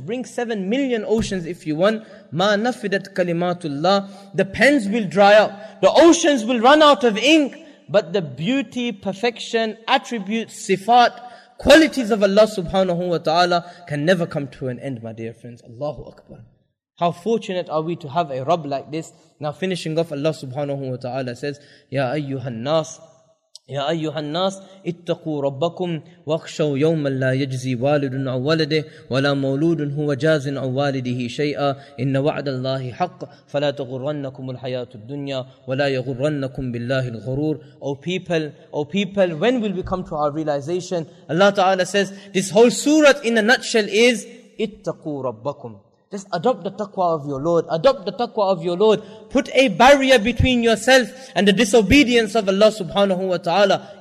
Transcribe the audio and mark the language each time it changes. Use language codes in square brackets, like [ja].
[en] Bring 7 million oceans if you want. [ar] مَا نَفِدَتْ كَلِمَاتُ اللَّهِ. [en] The pens will dry up. The oceans will run out of ink. But the beauty, perfection, attributes, sifat, qualities of Allah subhanahu wa ta'ala can never come to an end, my dear friends. Allahu Akbar. How fortunate are we to have a Rabb like this. Now finishing off, Allah subhanahu wa ta'ala says, [ar] يَا أَيُّهَا النَّاسِ يا أيها الناس اتقوا ربكم واخشوا يوما لا يجزي والد عن ولده ولا مولود هو جاز عن والده شيئا إن وعد الله حق فلا تغرنكم الحياة الدنيا ولا يغرنكم بالله الغرور. [en] O people, when will we come to our realization? Allah Ta'ala says, this whole surah in a nutshell is, [ar] اتقوا ربكم. [en] Just adopt the taqwa of your Lord. Adopt the taqwa of your Lord. Put a barrier between yourself and the disobedience of Allah subhanahu wa ta'ala.